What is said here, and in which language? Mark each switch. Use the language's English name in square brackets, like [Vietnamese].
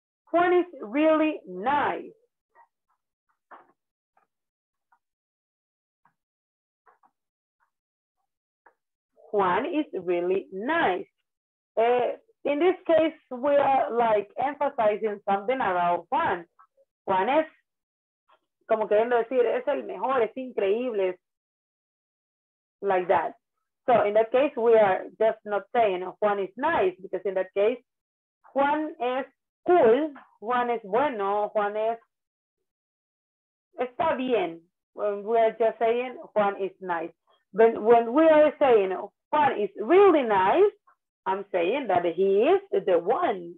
[English] Juan is really nice. Juan is really nice. In this case, we are like emphasizing something about Juan. [Spanish] Juan es, como queriendo decir, es el mejor, es increíble. [English] Like that. So in that case, we are just not saying Juan is nice, because in that case, [Spanish] Juan es cool, Juan es bueno, Juan es, está bien. [English] We are just saying Juan is nice. But when we are saying Juan is really nice, I'm saying that he is the one.